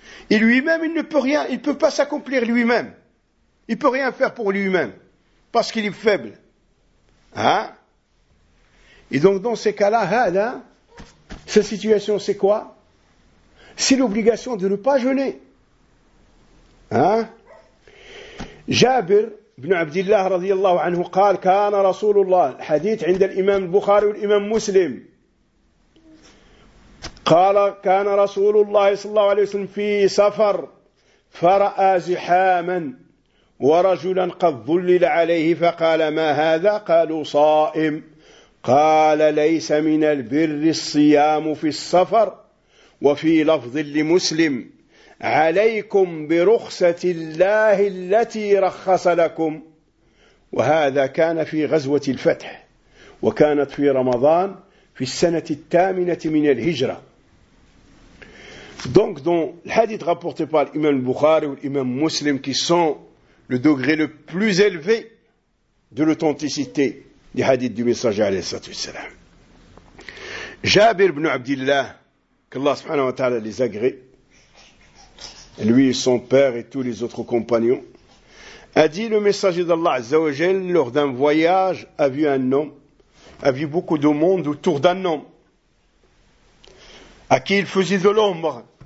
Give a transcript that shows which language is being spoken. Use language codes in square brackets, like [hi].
[fr] Et lui-même, il ne peut rien, il ne peut pas s'accomplir lui-même. Il ne peut rien faire pour lui-même, parce qu'il est faible. Et donc, dans ces cas-là, cette situation, c'est quoi? C'est l'obligation de ne pas jeûner. [ar] Jabir ibn Abdillah radiyallahu anhu قال كان رسول الله الحديث عند الإمام البخاري والإمام مسلم قال كان رسول الله صلى الله عليه وسلم في سفر فرأى زحاما ورجلا قد ظلل عليه فقال ما هذا قالوا صائم قال ليس من البر الصيام في السفر وفي لفظ لمسلم عليكم برخصة الله التي رخص لكم وهذا كان في غزوة الفتح وكانت في رمضان في السنة الثامنة من الهجرة. [fr] Donc dans l'hadith rapporté par l'imam Bukhari ou l'imam Muslim qui sont le degré le plus élevé de l'authenticité des hadiths du messager alayhi salatu wassalam. Jabir ibn Abdillah, qu'Allah subhanahu wa ta'ala les agrée, lui et son père et tous les autres compagnons, a dit le messager d'Allah Azza wa Jal lors d'un voyage, a vu un homme, a vu beaucoup de monde autour d'un homme, à qui il faisait de l'ombre.